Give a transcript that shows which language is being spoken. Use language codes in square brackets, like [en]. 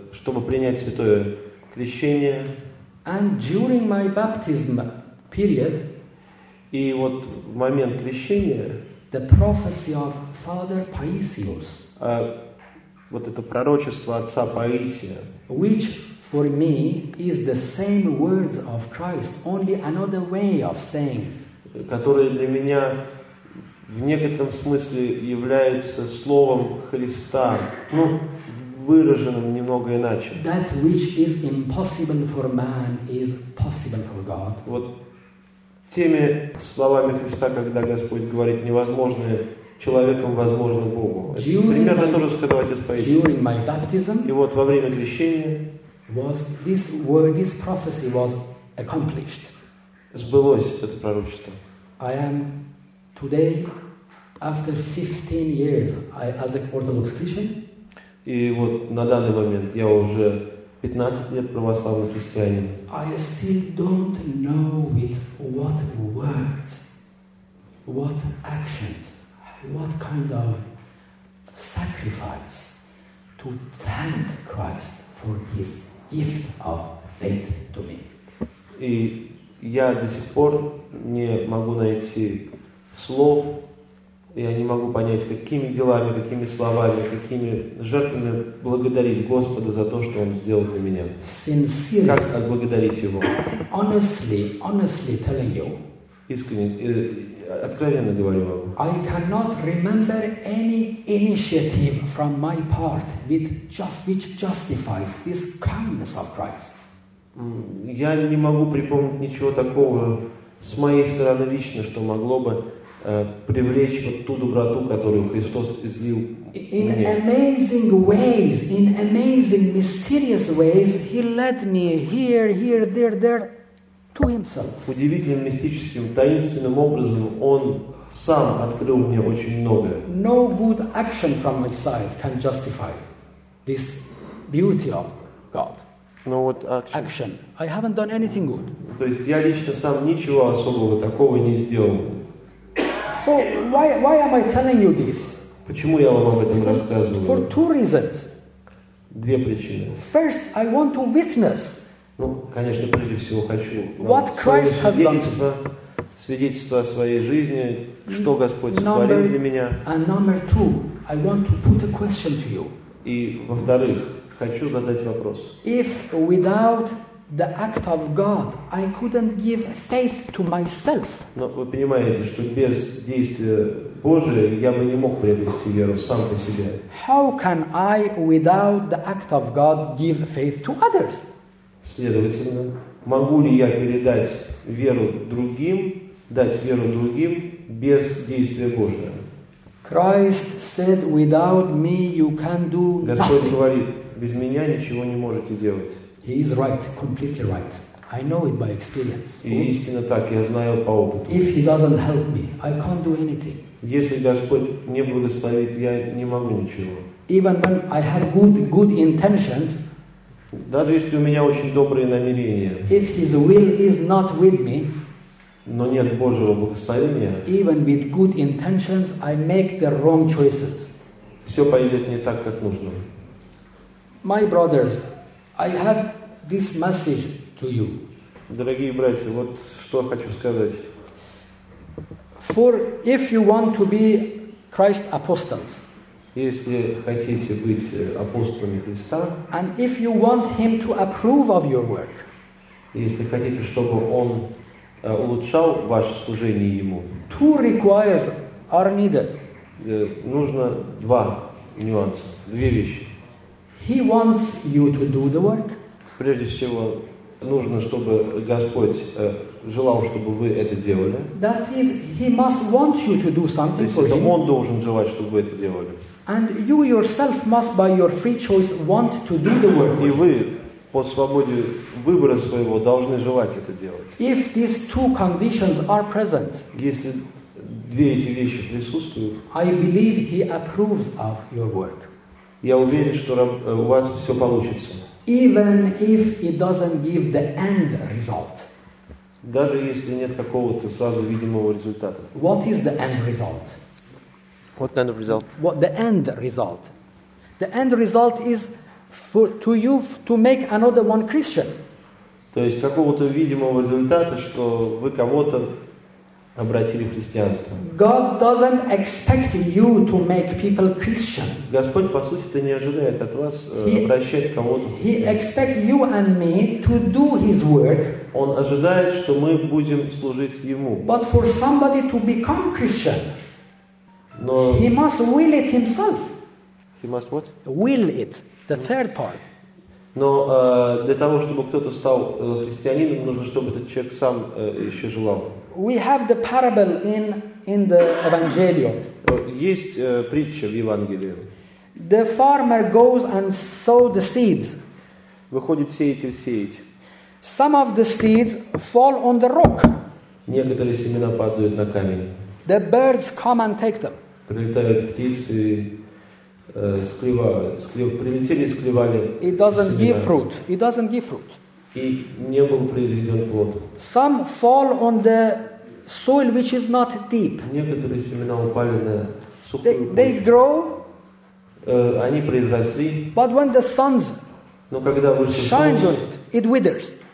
[ru] Чтобы принять святое крещение. [en] And during my baptism period. [ru] И вот в момент крещения. [en] The prophecy of Father Paisios. [ru] Вот это пророчество отца Паисия. [en] Which for me is the same words of Christ, only another way of saying. [ru] Которое для меня в некотором смысле является словом Христа, ну, выраженным немного иначе. [en] That which is impossible for man is possible for God. [ru] Вот. Теми словами Христа, когда Господь говорит невозможное человеком, возможно Богу. Примерно тоже сказал отец Паисий. И вот во время крещения [en] this prophecy was accomplished. [ru] Сбылось это пророчество. [en] I am today, after 15 years, as an Orthodox Christian. [ru] И вот на данный момент я уже 15 лет православный христианин. [en] I still don't know with what words. what actions, what kind of sacrifice to thank Christ for his gift of faith to me. [ru] И я до сих пор не могу найти слов, я не могу понять, какими делами, какими словами, какими жертвами благодарить Господа за то, что Он сделал для меня. [en] Sincerely, [ru] как отблагодарить Его? [en] Honestly, honestly telling you, [ru] искренне, откровенно говорю вам. [en] I cannot remember any initiative from my part which justifies this kindness of Christ. [ru] Я не могу припомнить ничего такого с моей стороны лично, что могло бы привлечь вот ту доброту, которую Христос излил [en] in [ru] мне. [en] Amazing ways, in amazing, mysterious ways, He led me here, here, there, there to Himself. [ru] Удивительным, мистическим, таинственным образом Он сам открыл мне очень многое. [en] No good action from my side can justify this beauty of God. No what action? Action. I haven't done anything good. [ru] То есть я лично сам ничего особого такого не сделал. [en] So why am I telling you this? [ru] Почему я вам об этом рассказываю? [en] For two reasons. [ru] Две причины. [en] First, I want to witness. [ru] Ну, конечно, прежде всего хочу [en] what Christ has done. [ru] Свидетельство о своей жизни, что Господь сотворил для меня. [en] And number two, I want to put a question to you. [ru] И во-вторых, хочу задать вопрос. [en] If without the act of God, I couldn't give faith to myself. [ru] Но вы понимаете, что без действия Божия я бы не мог приобрести веру сам по себе. [en] How can I, without the act of God, give faith to others? [ru] Следовательно, могу ли я передать веру другим, дать веру другим без действия Божия? [en] Christ said, "Without me, you can do nothing." [ru] Господь говорит, без меня ничего не можете делать. [en] He is right, completely right. I know it by experience. [ru] И истинно так, я знаю по опыту. [en] If he doesn't help me, I can't do anything. [ru] Если Господь не благословит, я не могу ничего. [en] Even when I have good intentions, [ru] даже если у меня очень добрые намерения, [en] if his will is not with me, [ru] но нет Божьего благословения, [en] even with good intentions, I make the wrong choices. [ru] Все пойдет не так, как нужно. [en] My brothers, I have this message to you. [ru] Дорогие братья, вот что хочу сказать. [en] For if you want to be Christ's apostles, [ru] если хотите быть апостолами Христа, [en] and if you want Him to approve of your work, [ru] если хотите, чтобы Он улучшал ваше служение Ему, [en] two requires are needed. [ru] Нужно два нюанса, две вещи. [en] He wants you to do the work. [ru] Прежде всего, нужно, чтобы Господь желал, чтобы вы это делали. [en] That is, He must want you to do something for Him. [ru] Он должен желать, чтобы вы это делали. [en] And you yourself must, by your free choice, want to do the work. [ru] И вы по свободе выбора своего должны желать это делать. [en] If these two conditions are present, [ru] если две эти вещи присутствуют, [en] I believe He approves of your work. [ru] Я уверен, что у вас все получится. [en] Even if it doesn't give the end result. [ru] Даже если нет какого-то сразу видимого результата. [en] What is the end result? What kind of result? What the end result? The end result is for to you to make another one Christian. [ru] То есть какого-то видимого результата, что вы кого-то обратили в христианство. [en] God doesn't expect you to make people Christian. [ru] Господь, по сути, это не ожидает от вас обращать кого-то. [en] He expects you and me to do His work. [ru] Он ожидает, что мы будем служить Ему. [en] But for somebody to become Christian, [ru] но [en] He must will it Himself. He must what? Will it. The third part. [ru] Но для того, чтобы кто-то стал христианином, нужно, чтобы этот человек сам еще желал. [en] We have the parable in the Evangelium. [ru] Есть притча в Евангелии. [en] The farmer goes and sow the seeds. [ru] Выходит сеятель сеять. [en] Some of the seeds fall on the rock. [ru] Некоторые семена падают на камень. [en] The birds come and take them. [ru] Прилетают птицы, прилетели и склевали. [en] It doesn't give fruit. It doesn't give fruit. [ru] И не был произведен плод. [en] Some fall on the soil which is not deep. [ru] Некоторые семена упали на сухую почву. [en] They grow. [ru] Они произросли. [en] But when the sun shines on it, it withers.